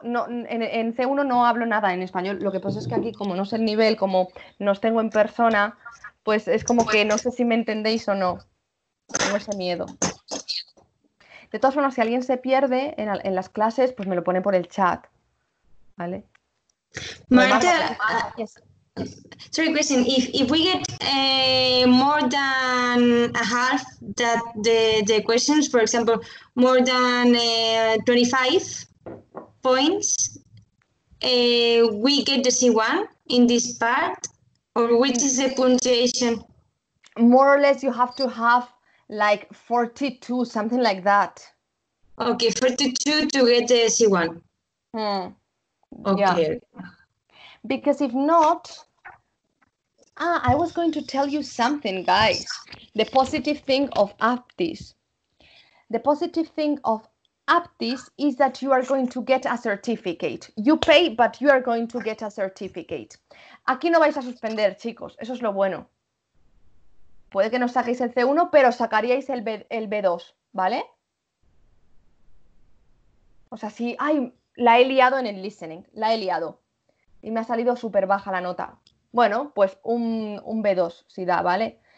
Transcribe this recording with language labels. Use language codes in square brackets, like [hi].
[es] No, en C1 no hablo nada en español. Lo que pasa es que aquí, como no sé el nivel, como no os tengo en persona, pues es como que no sé si me entendéis o no. Tengo ese miedo. De todas formas, si alguien se pierde en las clases, pues me lo pone por el chat, ¿vale? [en] Marta, yes. Sorry, question. If we get more than a half that the questions, for example, more than 25 points, we get the C1 in this part, or which is the punctuation? More or less, you have to have like 42, something like that. Okay, 42 to get the C1. Okay. Yeah. Because if not, I was going to tell you something, guys. The positive thing of APTIS. The positive thing of APTIS is that you are going to get a certificate. You pay, but you are going to get a certificate. [es] Aquí no vais a suspender, chicos. Eso es lo bueno. Puede que no saquéis el C1, pero sacaríais el B2, ¿vale? O sea, sí, ay, la he liado en el listening, la he liado. Y me ha salido súper baja la nota. Bueno, pues un B2 si da, ¿vale?